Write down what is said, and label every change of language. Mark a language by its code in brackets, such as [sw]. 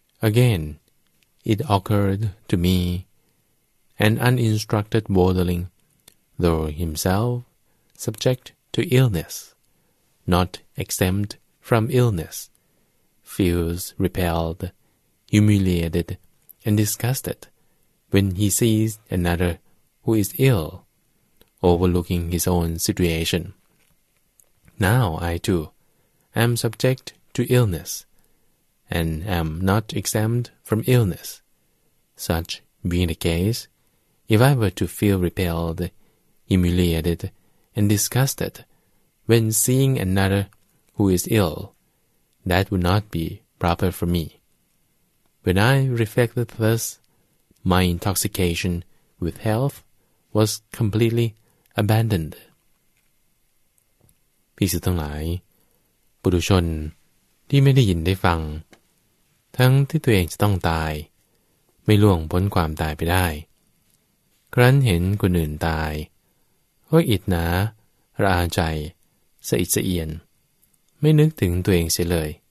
[en] Again, it occurred to me, an uninstructed worldling, though himself subject to illness, not exempt from illness, feels repelled, humiliated, and disgusted when he sees another who is ill, overlooking his own situation. Now I too am subject to illness, and am not exempt from illness. Such being the case, if I were to feel repelled, humiliated, and disgusted when seeing another who is ill, that would not be proper for me. When I reflected thus, my intoxication with health was completely abandoned. [th] ภิกษุทั้งหลายปุถุชนที่ไม่ได้ยินได้ฟังทั้งที่ตัวเองจะต้องตายไม่ล่วงพ้นความตายไปได้ครั้นเห็นคนอื่นตายก็อิจฉาระอาใจสะอิดสะเอียนไม่นึกถึงตัวเองเสียเลย